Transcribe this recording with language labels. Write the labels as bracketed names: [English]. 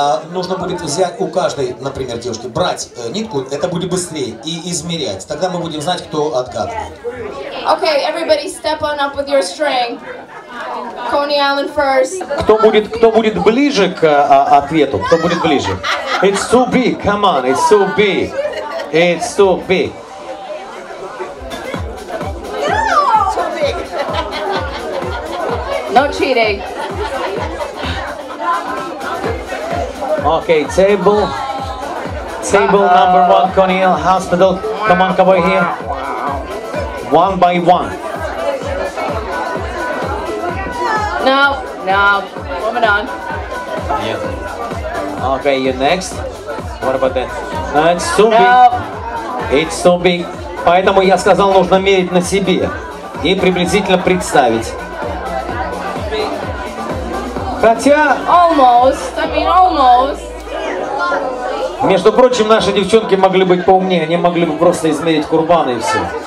[Russian] Нужно будет взять у каждой, например, девушки, брать нитку. Это будет быстрее и измерять. Тогда мы будем знать, кто отгадывает. [English] Okay, everybody, step on up with your string. Coney Island first. [Russian] Кто будет ближе к ответу? Кто будет ближе? [English] It's too big. Come on, it's too big. It's too big. No. Too big. No cheating. Okay, table number one, Coney Island Hospital. Come on, come over here. One by one. No, moving on. Yeah. Okay, you're next. What about that? No, it's too big. It's too big. [Russian] Поэтому я сказал, нужно мерить на себе и приблизительно представить. Хотя... [English] Almost. I mean, almost. [Russian] Между прочим, наши девчонки могли быть поумнее, они могли бы просто измерить курбаны и все.